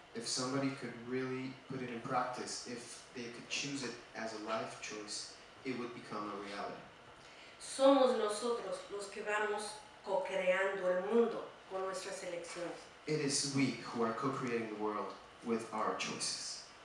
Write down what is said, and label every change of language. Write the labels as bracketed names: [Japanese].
[English] If somebody could really put it in practice, if they could choose it as a life choice, it would become a reality. [Spanish] Somos nosotros los que vamos co-creando el mundo con nuestras elecciones. [English] It is we who are co-creating the world with our choices.